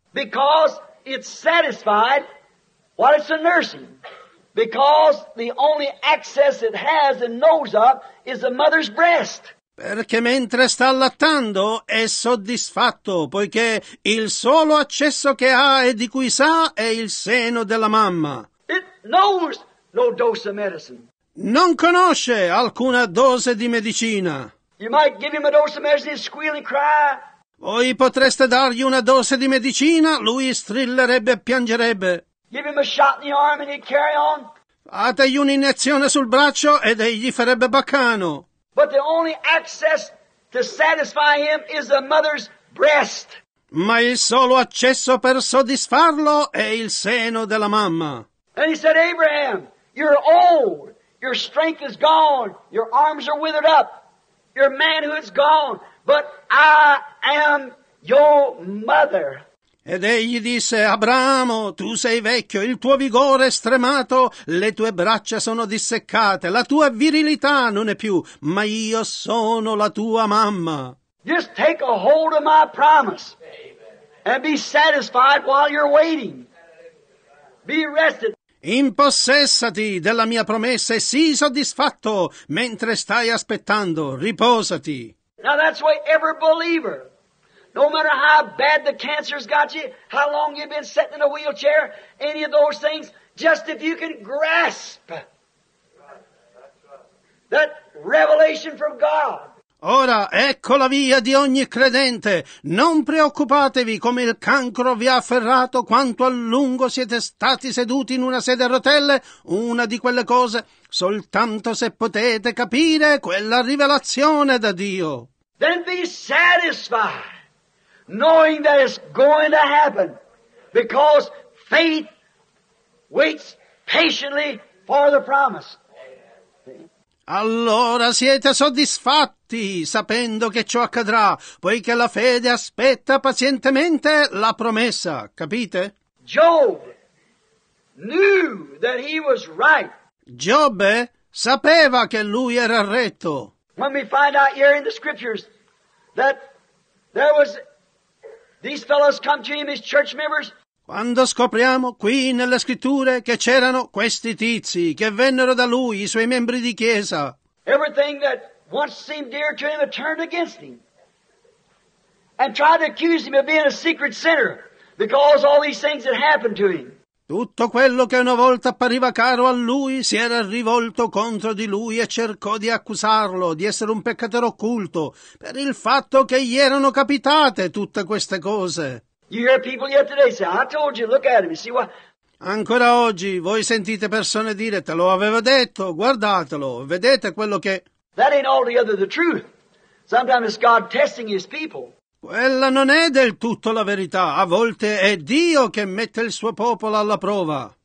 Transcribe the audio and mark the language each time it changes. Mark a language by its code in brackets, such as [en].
[en] Because it's satisfied while it's a nursing. Because the only access it has and knows of is the mother's breast. [it] Perché mentre sta allattando è soddisfatto, poiché il solo accesso che ha e di cui sa è il seno della mamma. [en] It knows no dose of medicine. [it] Non conosce alcuna dose di medicina. [en] You might give him a dose of medicine, squeal and cry. [it] Voi potreste dargli una dose di medicina, lui strillerebbe e piangerebbe. [en] Give him a shot in the arm and he'd carry on. [it] Fategli un'iniezione sul braccio ed egli farebbe baccano. [en] But the only access to satisfy him is the mother's breast. [it] Ma il solo accesso per soddisfarlo è il seno della mamma. [en] And he said, Abraham, you're old, your strength is gone, your arms are withered up, your manhood's gone, but I am your mother. [it] Ed egli disse, Abramo, tu sei vecchio, il tuo vigore è stremato, le tue braccia sono disseccate, la tua virilità non è più, ma io sono la tua mamma. [en] Just take a hold of my promise and be satisfied while you're waiting. Be rested. [it] Impossessati della mia promessa e sii soddisfatto mentre stai aspettando. Riposati. [en] Now that's why every believer, no matter how bad the cancer's got you, how long you've been sitting in a wheelchair, any of those things, just if you can grasp that revelation from God. [it] Ora, ecco la via di ogni credente. Non preoccupatevi come il cancro vi ha afferrato quanto a lungo siete stati seduti in una sedia a rotelle, una di quelle cose, soltanto se potete capire quella rivelazione da Dio. [en] Then be satisfied, knowing that it's going to happen, because faith waits patiently for the promise. [it] Allora siete soddisfatti, sapendo che ciò accadrà, poiché la fede aspetta pazientemente la promessa. Capite? [en] Job knew that he was right. [it] Giobbe sapeva che lui era retto. [en] When we find out here in the scriptures that there was these fellows come to him, his church members. [it] Quando scopriamo qui nelle scritture che c'erano questi tizi che vennero da lui, i suoi membri di chiesa. [en] Everything that once seemed dear to him had turned against him and tried to accuse him of being a secret sinner because all these things had happened to him. [it] Tutto quello che una volta appariva caro a lui si era rivolto contro di lui e cercò di accusarlo di essere un peccatore occulto per il fatto che gli erano capitate tutte queste cose. [en] You hear people yet today say, I told you, look at him, you see what? [it] Ancora oggi voi sentite persone dire, te lo avevo detto, guardatelo, vedete quello che... [en] That ain't altogether the truth. Sometimes it's God testing his people. [it] Quella non è del tutto la verità, a volte è Dio che mette il suo popolo alla prova.